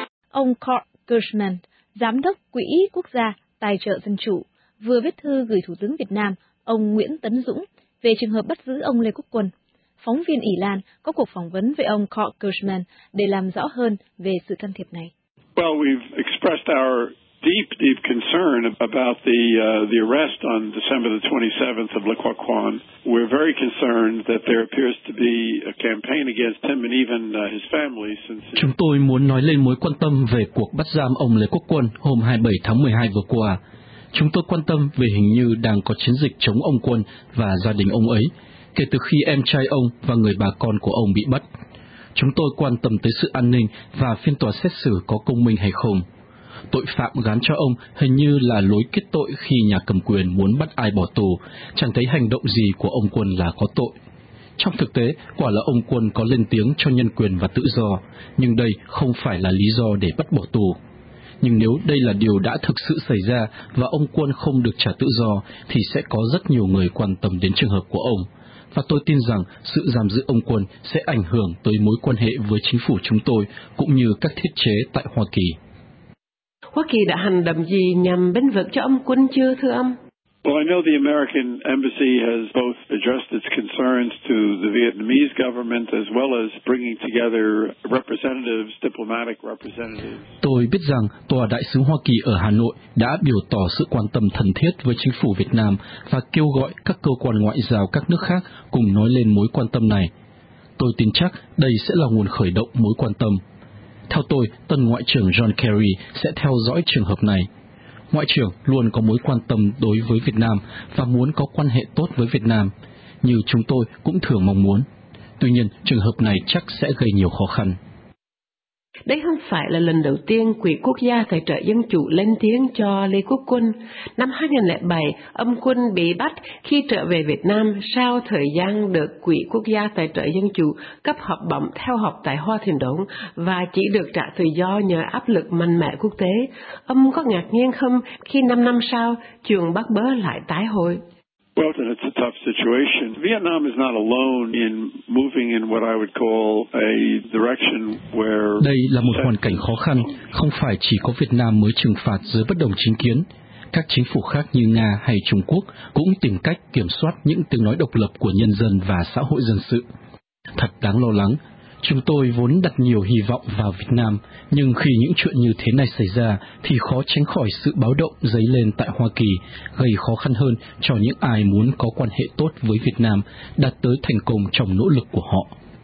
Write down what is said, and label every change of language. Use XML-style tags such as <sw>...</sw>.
<vi>Ông Kurt Gershman, Giám đốc Quỹ Quốc gia Tài trợ Dân chủ, vừa viết thư gửi Thủ tướng Việt Nam, ông Nguyễn Tấn Dũng, về trường hợp bắt giữ ông Lê Quốc Quân. Phóng viên Ỷ Lan có cuộc phỏng vấn với ông Kurt Gershman để làm rõ hơn về sự can thiệp này.</vi> <en>Well, we've expressed our deep concern about the arrest on December the 27th of Lê Quốc Quân. We're very concerned that there appears to be a campaign against him and even his family since.</en> <vi>Chúng tôi muốn nói lên mối quan tâm về cuộc bắt giam ông Lê Quốc Quân hôm 27 tháng 12 vừa qua. Chúng tôi quan tâm vì hình như đang có chiến dịch chống ông Quân và gia đình ông ấy kể từ khi em trai ông và người bà con của ông bị bắt. Chúng tôi quan tâm tới sự an ninh và phiên tòa xét xử có công minh hay không. Tội phạm gán cho ông hình như là lối kết tội khi nhà cầm quyền muốn bắt ai bỏ tù, chẳng thấy hành động gì của ông Quân là có tội. Trong thực tế, quả là ông Quân có lên tiếng cho nhân quyền và tự do, nhưng đây không phải là lý do để bắt bỏ tù. Nhưng nếu đây là điều đã thực sự xảy ra và ông Quân không được trả tự do, thì sẽ có rất nhiều người quan tâm đến trường hợp của ông. Và tôi tin rằng sự giam giữ ông Quân sẽ ảnh hưởng tới mối quan hệ với chính phủ chúng tôi, cũng như các thiết chế tại Hoa Kỳ. Hoa Kỳ đã hành động gì nhằm bênh vực cho ông Quân chưa, thưa ông?</vi> <en>Well, I know the American embassy has both addressed its concerns to the Vietnamese government as well as bringing together representatives, diplomatic representatives.</en> <vi>Tôi biết rằng tòa đại sứ Hoa Kỳ ở Hà Nội đã biểu tỏ sự quan tâm thân thiết với chính phủ Việt Nam và kêu gọi các cơ quan ngoại giao các nước khác cùng nói lên mối quan tâm này. Tôi tin chắc đây sẽ là nguồn khởi động mối quan tâm. Theo tôi, tân ngoại trưởng John Kerry sẽ theo dõi trường hợp này. Ngoại trưởng luôn có mối quan tâm đối với Việt Nam và muốn có quan hệ tốt với Việt Nam, như chúng tôi cũng thường mong muốn. Tuy nhiên, trường hợp này chắc sẽ gây nhiều khó khăn. Đây không phải là lần đầu tiên Quỹ Quốc gia Tài trợ Dân chủ lên tiếng cho Lê Quốc Quân. Năm 2007, ông Quân bị bắt khi trở về Việt Nam sau thời gian được Quỹ Quốc gia Tài trợ Dân chủ cấp học bổng theo học tại Hoa Thiền Đổng và chỉ được trả tự do nhờ áp lực mạnh mẽ quốc tế. Ông có ngạc nhiên không khi 5 năm sau, trường Bắc Bớ lại tái hồi?</vi> <en>Well, then it's a tough situation. Vietnam is not alone in moving in what I would call a direction where.</en> <vi>Đây là một hoàn cảnh khó khăn. Không phải chỉ có Việt Nam mới trừng phạt giới bất đồng chính kiến. Các chính phủ khác như Nga hay Trung Quốc cũng tìm cách kiểm soát những tiếng nói độc lập của nhân dân và xã hội dân sự. Thật đáng lo lắng. Chúng tôi vốn đặt nhiều hy vọng vào Việt Nam, nhưng khi những chuyện như thế này xảy ra thì khó tránh khỏi sự báo động dấy lên tại Hoa Kỳ, gây khó khăn hơn cho những ai muốn có quan hệ tốt với Việt Nam, đạt tới thành công trong nỗ lực của họ.</vi>